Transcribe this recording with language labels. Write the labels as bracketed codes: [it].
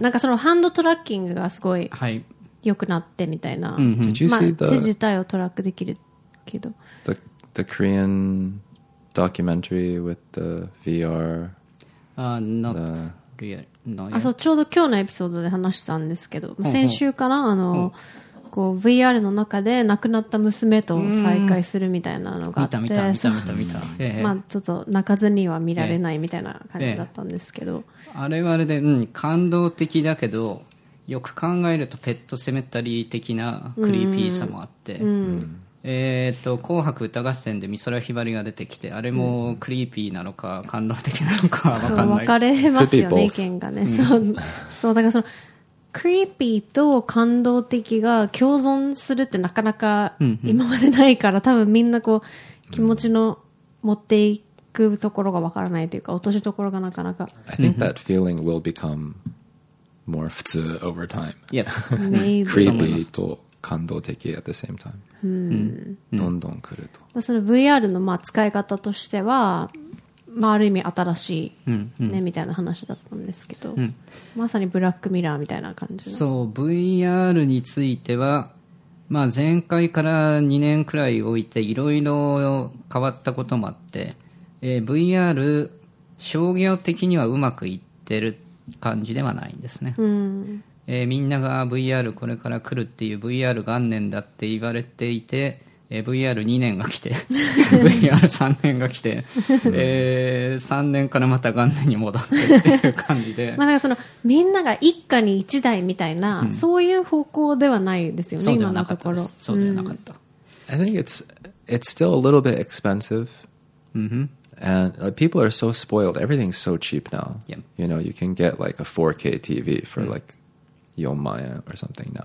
[ja] なんかそのハンドトラッキングがすごい。はい。良くなってみたいな。まあ、手自体をトラックできるけど。 [en] The Korean documentary with the VR. Not really. [ja] あ、そう、ちょうど今日のエピソードで話したんですけど、先週かな、あの、こう VR の中で亡くなった娘と再会するみたいなのがあって、見た、まあ、ちょっと泣かずには見られないみたいな感じだったんですけど。あれはあれで、感動的だけど、よく考えるとペットセメタリー的なクリーピーさもあって、紅白歌合戦で美空ひばりが出てきて、あれもクリーピーなのか感動的なのか分かんない。そう、分かれますよね、意見がね。そう、だからそのクリーピーと感動的が共存するってなかなか今までないから、多分みんなこう気持ちの持っていくところが分からないというか、落としどころがなかなか。 [en] I think that feeling will becomemore 普通 over time. Yes. Creepy [ja] と感動的 [en] at the same time. [ja] どんどん来ると。その VR のまあ使い方としては、まあ、ある意味新しいね、みたいな話だったんですけど、まさにブラックミラーみたいな感じ。そう、 VR については、まあ、前回から2年くらい置いていろいろ変わったこともあって、VR 商業的にはうまくいってる感じではないんですね。みんなが VR これから来るっていう VR 元年だって言われていて、VR2 年が来てVR3 年が来て3年からまた元年に戻ってっていう感じでまあなんかそのみんなが一家に一台みたいな、そういう方向ではないですよね、今のところ。そうではなかった。 [en] I think it's still a little bit expensive. And people are so spoiled. Everything's so cheap now. Yeah. You know, you can get like a 4K TV for like 4万円 or something now.